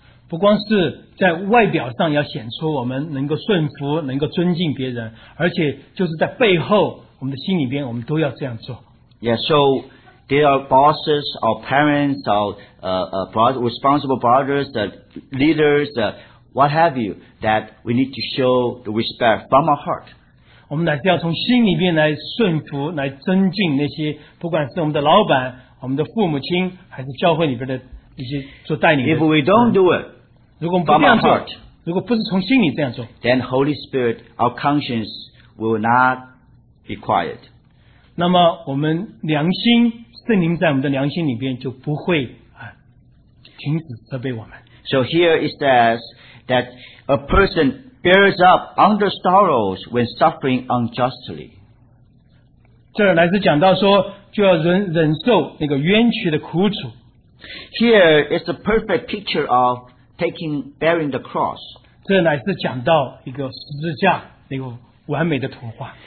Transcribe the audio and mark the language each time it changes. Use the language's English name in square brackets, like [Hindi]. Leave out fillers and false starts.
[Chinese] 不光是在外表上要显出我们能够顺服，能够尊敬别人，而且就是在背后，我们的心里边，我们都要这样做。 [English] Yeah, so there are bosses, our parents, our responsible brothers, the leaders, the What have you that we need to show the respect from our heart? [Chinese] 我们乃是要从心里面来顺服，来尊敬那些，不管是我们的老板、我们的父母亲，还是教会里边的一些做带领的。 [English] If we don't do it, [Chinese] 如果我们不这样做，如果不是从心里这样做 [English] ，then Holy Spirit, our conscience will not be quiet. [Chinese] 那么我们良心，圣灵在我们的良心里边就不会啊停止责备我们。 [English] So here it says. That a person bears up under sorrows when suffering unjustly. [Chinese] 这来自讲到说，就要忍受那个冤屈的苦楚。 [English] Here is a perfect picture of bearing the cross. [Chinese] 这来自讲到一个十字架那个完美的图画。